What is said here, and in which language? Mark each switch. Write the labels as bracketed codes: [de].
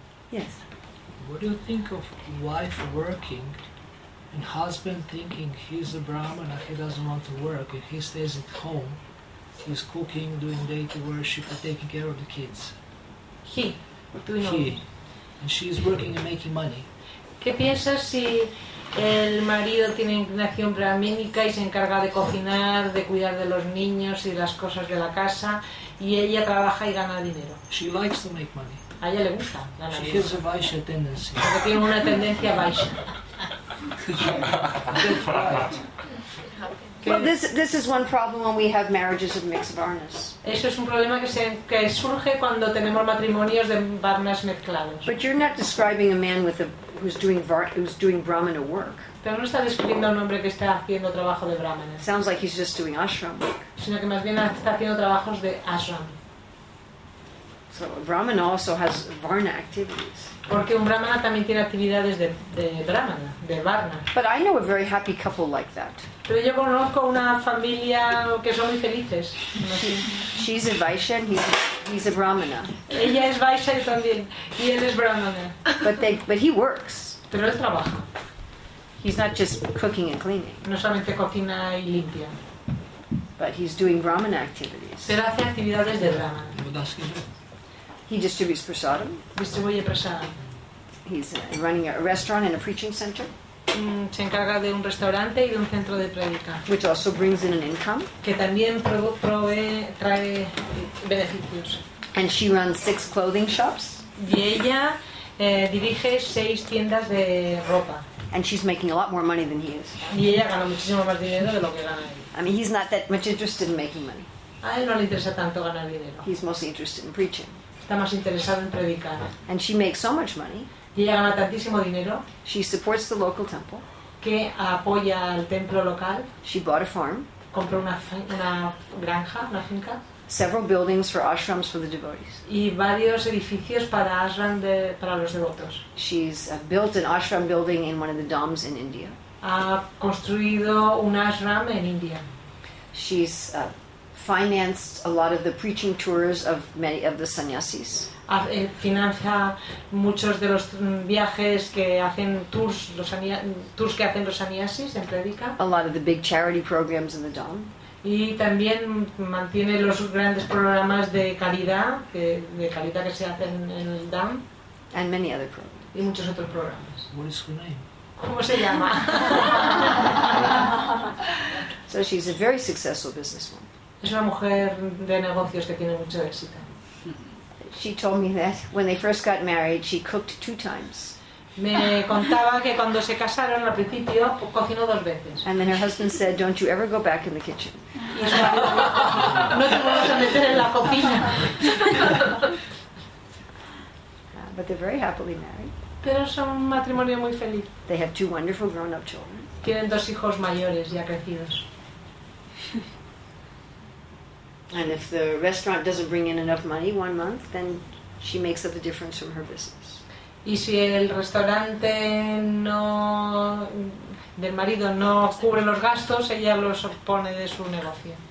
[en] Yes. What do you think of wife working? And husband thinking he's a Brahmana, he doesn't want to work, and he stays at home, he's cooking, doing deity worship, and taking care of the kids. He. Doing he. And she's working and making money. [es] ¿Qué piensas si el marido tiene inclinación brahmínica y se encarga de cocinar, de cuidar de los niños y las cosas de la casa, y ella trabaja y gana dinero? [en] She likes to make money. [es] A ella le gusta ganar dinero. [en] She has a Vaishya tendency. [es] Porque tiene una tendencia Vaishya. [en] Well, this is one problem when we have marriages of mixed varnas. [es] Eso es un problema que surge cuando tenemos matrimonios de varnas mezclados. [en] But you're not describing a man who's doing brahmana work. [es] Pero no está describiendo a un hombre que está haciendo trabajo de brahmana. [en] Sounds like he's just doing ashram work. [es] Sino que más bien está haciendo trabajos de ashram. [en] So a brahmana also has varna activities. [es] Porque un brahmana también tiene actividades de brahmana, de varna. [en] But I know a very happy couple like that. [es] Pero yo conozco una familia que son muy felices. [en] She's a Vaishya and he's a brahmana. [es] Ella es Vaishya también y él es brahmana. [en] But he works. [es] Pero él trabaja. [en] He's not just cooking and cleaning. [es] No solamente cocina y limpia. [en] But he's doing brahmana activities. [es] Pero hace actividades de brahmana. [en] He distributes prasadam. [es] Distribuye prasadam. [en] He's running a restaurant and a preaching center. [es] Se encarga de un restaurante y de un centro de predica. [en] Which also brings in an income. [es] Que también trae beneficios. [en] And she runs 6 clothing shops. [es] Y ella dirige 6 tiendas de ropa. [en] And she's making a lot more money than he is. [es] Y ella gana muchísimo más dinero de lo que gana él. [en] I mean, he's not that much interested in making money. [es] A él no le interesa tanto ganar dinero. [en] He's mostly interested in preaching. [es] Está más interesado en predicar. [en] And she makes so much money. [es] y ella gana tantísimo dinero. [en] She supports the local temple. [es] Que apoya al templo local. [en] She bought a farm. [es] Compró una granja, una finca. [en] Several buildings for ashrams for the devotees. [es] Y varios edificios para ashram de para los devotos. [en] She's built an ashram building in one of the dhams in India. [es] Ha construido un ashram en India. [en] She's financed a lot of the preaching tours of many of the sannyasis. [es] Financia muchos de los viajes que hacen tours que hacen los sannyasis en predica. [en] A lot of the big charity programs in the dham. [es] Y también mantiene los grandes programas de caridad de caridad que se hacen en el dham. [en] And many other programs. [es] Y muchos otros programas. [en] What is her name? [es] ¿Cómo se llama? [en] So she's a very successful businesswoman. [es] Es una mujer de negocios que tiene mucho éxito. [en] She told me that when they first got married, she cooked 2 times. [es] Me contaba que cuando se casaron al principio, cocinó 2 veces. [en] And then her husband said, "Don't you ever go back in the kitchen." [es] Y su marido, no te vuelvas a meter en la cocina. [en] But they're very happily married. [es] Pero son un matrimonio muy feliz. [en] They have 2 wonderful grown-up children. [es] Tienen 2 hijos mayores ya crecidos. [en] And if the restaurant doesn't bring in enough money 1 month, then she makes up the difference from her business. [es] Y si el restaurante no del marido no cubre los gastos, ella los pone de su negocio.